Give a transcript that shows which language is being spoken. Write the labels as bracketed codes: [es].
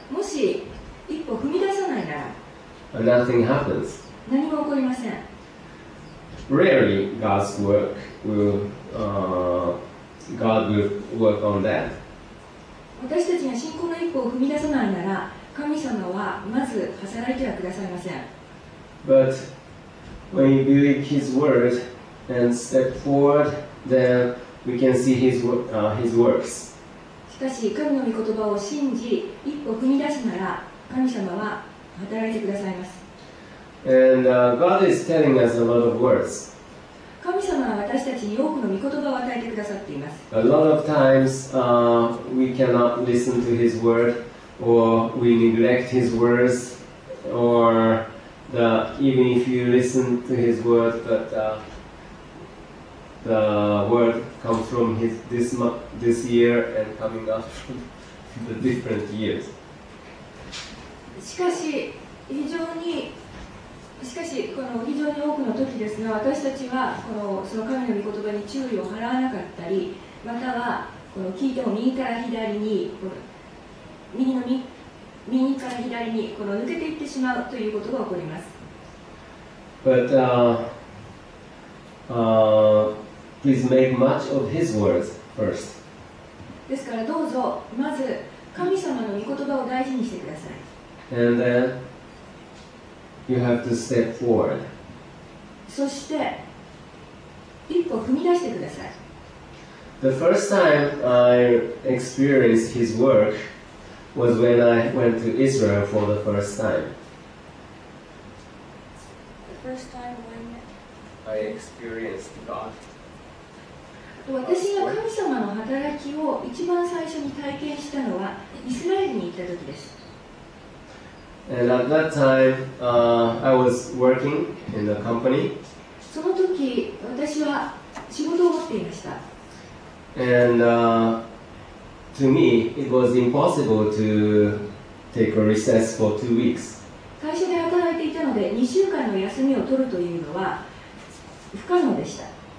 [ja] もし一歩踏み出さないなら、 [en] Nothing happens. [ja] 何も起こりません。 [en] Rarely God's work will, God will work on that. [ja] 私たちが信仰の一歩を踏み出さないなら、神様はまず働いてはくださいません。 [en] But when you believe His word and step forward, then we can see His, His works. [ja] しかし神の御言葉を信じ一歩踏み出すなら、神様は働いてくださいます。 [en] And God is telling us a lot of words. [ja] 神様は私たちに多くの御言葉を与えてくださっています。 [en] A lot of times, we cannot listen to His word, or we neglect His words, or the, even if you listen to His word, but the word comes from his, this, this year and coming up from the different years. [ja] しかし、非常にしかしこの非常に多くの時ですが、私たちはこのその神の御言葉に注意を払わなかったり、またはこの聞いても右から左に、この右から左にこの抜けていってしまうということが起こります。 [en] But please make much of his words first. [ja] ですからどうぞまず神様の御言葉を大事にしてください。 [en] And thenYou have to step forward. [ja] そして一歩踏み出してください。 [en] The first time I experienced his work was when I went to Israel for the first time. The first time when I experienced God. [ja] 私が神様の働きを一番最初に体験したのはイスラエルに行った時です。 [en] And at that time, I was working in the company. [ja] その時、私は仕事を持っていました。 [en] And to me, it was impossible to take a recess for 2 weeks. [ja] 会社で働いていたので、2週間の休みを取るというのは不可能でした。